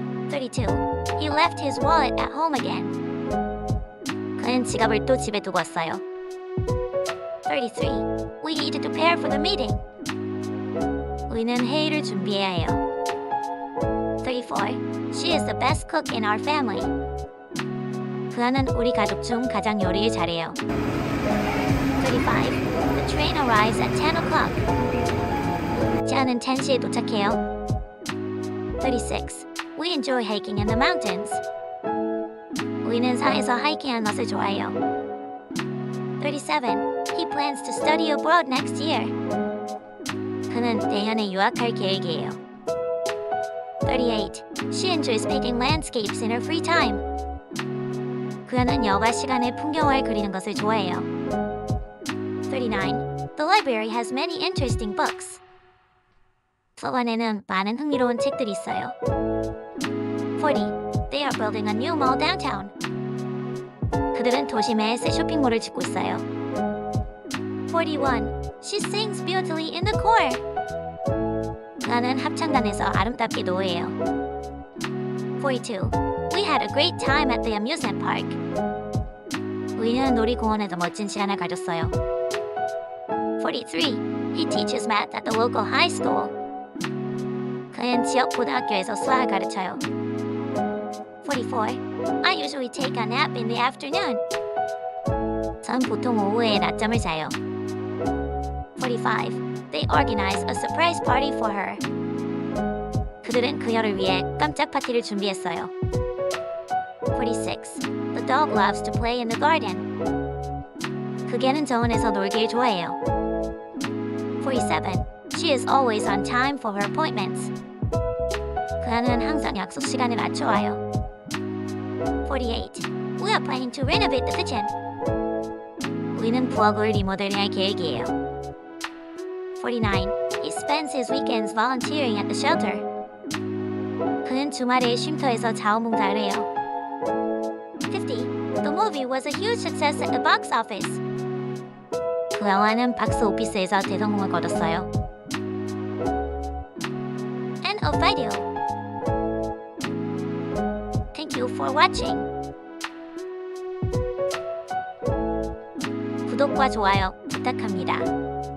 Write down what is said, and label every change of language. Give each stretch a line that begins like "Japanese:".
English: 32. He left his wallet at home again.
Korean: 그는 지갑을 또 집에 두고 왔어요.
English: 33. We need to prepare for the meeting.
Korean: 우리는 회의를 준비해야 해요.
English: 34. She is the best cook in our family.
Korean: 그녀는 우리 가족 중 가장 요리를 잘해요.
English: 35. The train arrives at 10 o'clock.
Korean: 차는 10시에 도착해요. 36.
English: We enjoy hiking in the mountains.
Korean: 우리는 산에서 하이킹하는 것을 좋아해요.
English: 37. He plans to study abroad next year.
Korean: 그는 내년에 유학할 계획이에요.
English: 38. She enjoys painting landscapes in her free time.
Korean: 그녀는 여가 시간에 풍경을 그리는 것을 좋아해요.
English: 39. The library has many interesting books.
Korean: 서관에는 많은 흥미로운 책들이 있어요.
English: 40. They are building a new mall downtown.
Korean: 그들은 도심에 새 쇼핑몰을 짓고 있어요.
English: 41. She sings beautifully in the choir.
Korean: 나는 합창단에서 아름답게 노래해요.
English: 42. We had a great time at the amusement park.
Korean: 우리는 놀이공원에도 멋진 시간을 가졌어요.
English: 43. He teaches math at the local high school.
Korean: 그는 지역 고등학교에서 수학을 가르쳐요.
English: 44. I usually take a nap in the afternoon.
Korean: 전 보통 오후에 낮잠을 자요.
English: 45. They organize a surprise party for her.
Korean: 그들은 그녀를 위해 깜짝 파티를 준비했어요.
English: 46. The dog loves to play in the garden.
Korean: 그개는 정원에서 놀기를 좋아해요.
English: 47. She is always on time for her appointments.
Korean: 그녀는 항상 약속 시간을 맞춰와요.
English: 48. We are planning to renovate the kitchen.
Korean: 우리는 부엌을 리모델링할 계획이에요.
English: 49. He spends his weekends volunteering at the shelter.
Korean: 그는 주말에 쉼터에서 자원봉사를 해요.
English: 50. The movie was a huge success at the box office.
Korean: 그 영화는 박스 오피스에서 대성공을 거뒀어요.
English: End of video. Thank you for watching.
Korean: 구독과 좋아요 부탁합니다.